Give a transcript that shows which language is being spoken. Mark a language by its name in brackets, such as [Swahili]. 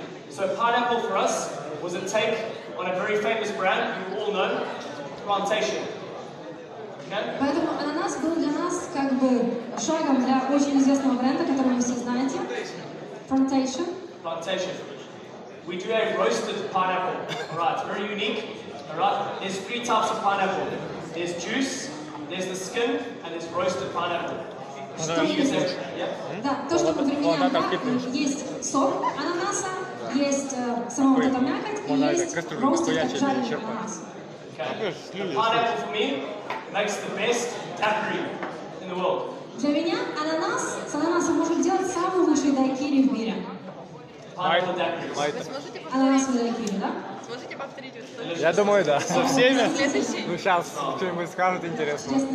[English] So pineapple for us was a take on a very famous brand you all know, Plantation. [Russian] Поэтому ананас был для нас как бы шагом для очень известного бренда, который вы все знаете. [English] Plantation. Plantation. We do have roasted pineapple. All right, very unique. All right, there's three types of pineapple. There's juice, there's the skin, and there's roasted pineapple. [Russian] Что мы применяем? Да, то, что мы применяем, да, есть сок ананаса, есть сама вот эта мякоть, и есть костюм, ростик, так жареный ананас. [English] Okay. Pineapple for me makes the best daiquiri in the world. [Russian] Для меня ананас с ананасом может делать самый лучший дайкири в мире. Pineapple daiquiri. Ананасовый дайкири, да? Сможете повторить это? Я думаю, да. Со всеми? Ну, сейчас что-нибудь скажут интересно.